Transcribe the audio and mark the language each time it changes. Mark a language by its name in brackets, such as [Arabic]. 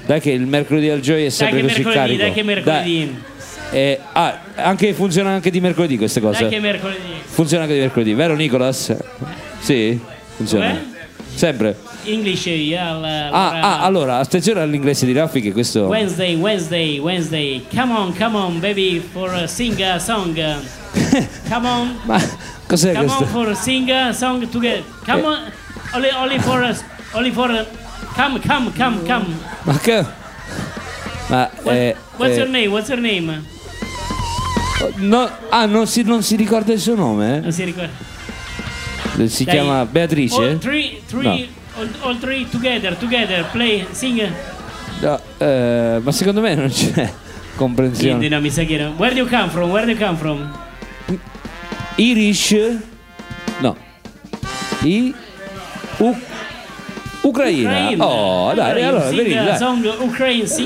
[Italian] Dai che il mercoledì al Gioia è sempre così carico. Dai che mercoledì, dai. Anche, funziona anche di mercoledì questa cosa. Dai che mercoledì. Funziona anche di mercoledì, vero Nicolas? Sì, funziona. Come? Sempre [English] English, yeah, [Italian] allora attenzione all'inglese di Raffi, che questo [English] Wednesday, Wednesday, Wednesday, come on, come on baby, for a sing a song, come on. [Italian] Ma cos'è, come questo? [English] On for a sing a song together, come on, only, only for us, only for a... come, come, come, come. [Italian] Ma che, ma [English] what's your name, what's your name? [Italian] No, ah, non si, non si ricorda il suo nome, non si ricorda. Si, dai, chiama Beatrice? [English] All three, three, no. All three together, together, play, sing. [Italian] No, ma secondo me non c'è comprensione. Quindi, no, mi sa che era. [English] Where do you come from? Where do you come from? Irish? No. I? U? Ucraina. [Italian] Ucraina. Oh, dai, Ucraina. Allora, [English] sing, [Italian] venite, dai. [English] Song, Ukraine, sing.